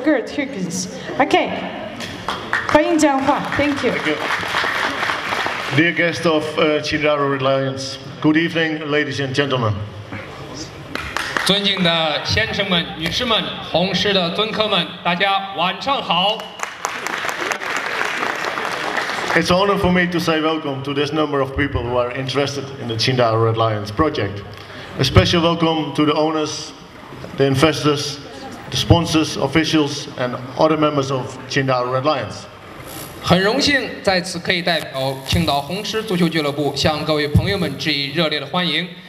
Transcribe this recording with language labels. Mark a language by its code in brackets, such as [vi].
[en] Gert Hurks. Okay. [zh] 欢迎讲话. [en] Thank you. Thank you. Dear guest of Qingdao Red Lions, good evening, ladies and gentlemen. [zh] 尊敬的先生们、女士们、红狮的尊客们，大家晚上好。 [en] It's an honor for me to say welcome to this number of people who are interested in the Qingdao Red Lions project. A special welcome to the owners, the investors, the sponsors, officials, and other members of Qingdao Red Lions. [zh] 很荣幸在此可以代表青岛红狮足球俱乐部向各位朋友们致以热烈的欢迎。